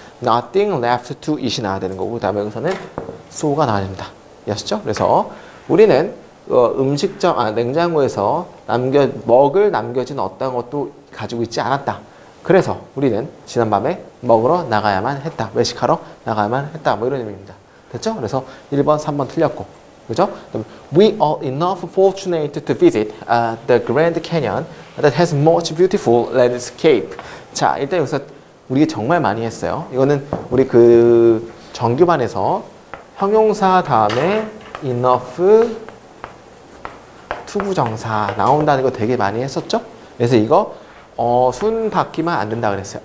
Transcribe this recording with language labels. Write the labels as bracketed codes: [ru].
[en] nothing left to it [ko] 이 나와야 되는 거고, 그 다음에 여기서는 so가 나와야 됩니다. 였죠? 그래서 우리는 음식점, 냉장고에서 먹을 남겨진 어떤 것도 가지고 있지 않았다. 그래서 우리는 지난밤에 먹으러 나가야만 했다. 외식하러 나가야만 했다. 뭐 이런 의미입니다. 됐죠? 그래서 1번, 3번 틀렸고. 그죠? [en] We are enough fortunate to visit the Grand Canyon that has much beautiful landscape. [ko] 자, 일단 여기서 우리가 정말 많이 했어요. 이거는 우리 그 정규반에서 형용사 다음에 enough 투부정사 나온다는 거 되게 많이 했었죠? 그래서 이거 어순바퀴만 안 된다 그랬어요.